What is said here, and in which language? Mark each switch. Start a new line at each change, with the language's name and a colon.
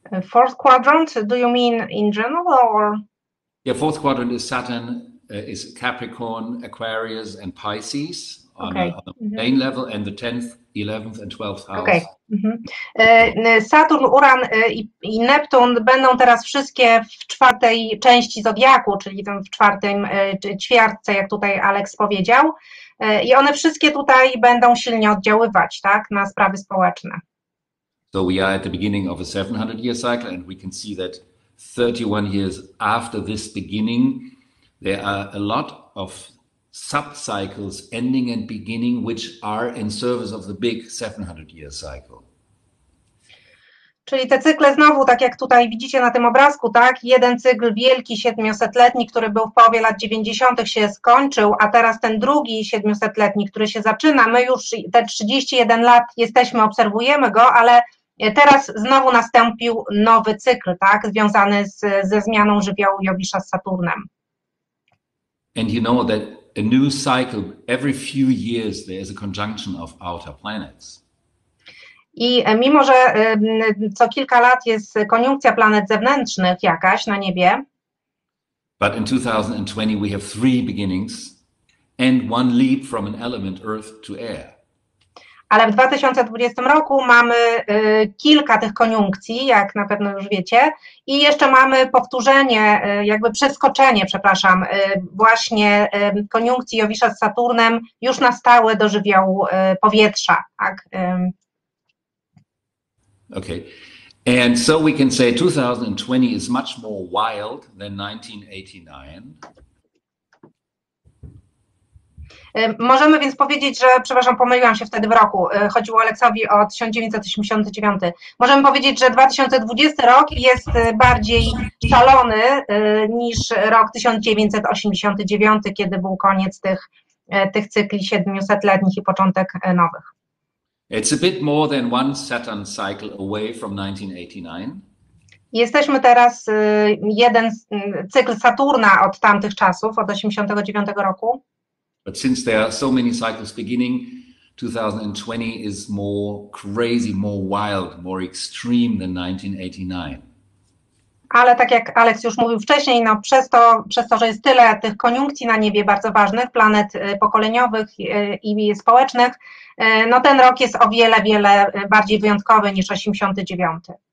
English: Fourth quadrant, do you mean in general or? Yeah, fourth quadrant is Saturn, is Capricorn, Aquarius and Pisces on the main level and the 10th, 11th and 12th house. Okay. Mm-hmm.
Polish: Saturn, Uran i Neptun będą teraz wszystkie w czwartej części zodiaku, czyli tam w czwartym ćwiartce, jak tutaj Alex powiedział. I one wszystkie tutaj będą silnie oddziaływać, tak, na sprawy społeczne.
English: So we are at the beginning of a 700 year cycle and we can see that 31 years after this beginning there are a lot of sub-cycles ending and beginning which are in service of the big 700 year cycle.
Polish: Czyli te cykle znowu, tak jak tutaj widzicie na tym obrazku, tak? Jeden cykl wielki 700-letni, który był w połowie lat 90. się skończył, a teraz ten drugi 700-letni, który się zaczyna, my już te 31 lat jesteśmy, obserwujemy go, ale teraz znowu nastąpił nowy cykl, tak, związany ze zmianą żywiołu Jowisza z Saturnem.
English: And you know that a new cycle, every few years there is a conjunction of outer planets.
Polish: I mimo że co kilka lat jest koniunkcja planet zewnętrznych jakaś na niebie.
English: But in 2020 we have three beginnings and one leap from an element earth to air.
Polish: Ale w 2020 roku mamy kilka tych koniunkcji, jak na pewno już wiecie, i jeszcze mamy powtórzenie, jakby przeskoczenie, przepraszam, właśnie koniunkcji Jowisza z Saturnem już na stałe do żywiołu powietrza, tak?
English: Okay. And so we can say 2020 is much more wild than 1989.
Polish: Możemy więc powiedzieć, że, przepraszam, pomyliłam się wtedy w roku, chodziło Aleksowi o 1989. Możemy powiedzieć, że 2020 rok jest bardziej szalony niż rok 1989, kiedy był koniec tych cykli 700-letnich i początek nowych.
English: It's a bit more than one Saturn cycle away from 1989.
Polish: Jesteśmy teraz jeden cykl Saturna od tamtych czasów, od 89 roku.
English: But since there are so many cycles beginning, 2020 is more crazy, more wild, more extreme than 1989.
Polish: Ale tak jak Alex już mówił wcześniej, no przez to, że jest tyle tych koniunkcji na niebie bardzo ważnych, planet pokoleniowych i społecznych, no ten rok jest o wiele, wiele bardziej wyjątkowy niż 89.